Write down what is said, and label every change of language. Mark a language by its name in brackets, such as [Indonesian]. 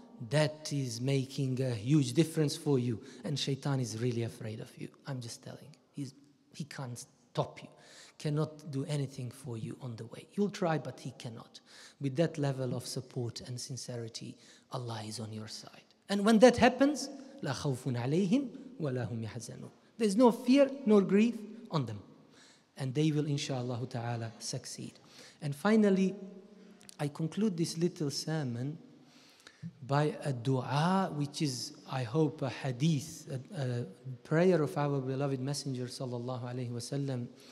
[English] That is making a huge difference for you. And shaitan is really afraid of you. I'm just telling you. He can't stop you, cannot do anything for you on the way. He'll try, but he cannot. With that level of support and sincerity, Allah is on your side. And when that happens, [Arabic] لا خوف عليهم ولا هم يحزنون. [English] There's no fear nor grief on them. And they will, inshallah ta'ala, succeed. And finally, I conclude this little sermon by a dua, which is, I hope, a hadith, a prayer of our beloved Messenger, sallallahu alayhi wa sallam.